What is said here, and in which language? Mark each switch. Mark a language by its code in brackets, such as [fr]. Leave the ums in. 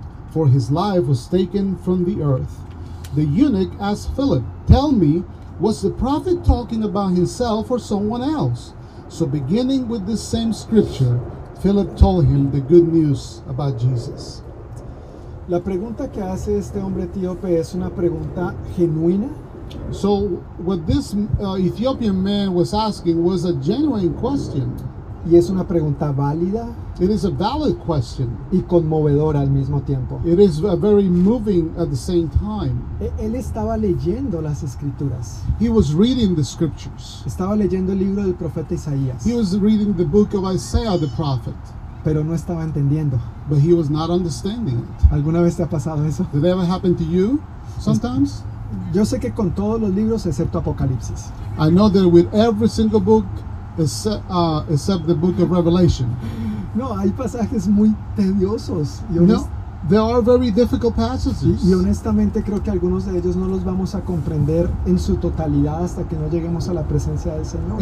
[en] For his life was taken from the earth. The eunuch asked Philip, Tell me, was the prophet talking about himself or someone else? So, beginning with this same scripture, Philip told him the good news about Jesus. [es] La pregunta que hace este hombre etíope es una pregunta genuina. [en] So what this uh, Ethiopian man was asking was a genuine question. [es] Y es una pregunta válida. [en] It is a valid question. [es] Y conmovedora al mismo tiempo. [en] It is a very moving at the same time. [es] E él estaba leyendo las escrituras. [en] He was reading the scriptures. [es] Estaba leyendo el libro del profeta Isaías. [en] He was reading the book of Isaiah the prophet [es] pero no estaba entendiendo. [en] But he was not understanding it. [es] ¿Alguna vez te ha pasado eso? [en] to you sometimes? [es] yo sé que con todos los libros excepto Apocalipsis. [en] I know that with every single book except, uh, except the book of Revelation. [es] No, hay pasajes muy tediosos. Yo no. [en] no There are very difficult passages. [es] Y, honestamente creo que algunos de ellos no los vamos a comprender en su totalidad hasta que no lleguemos a la presencia del Señor.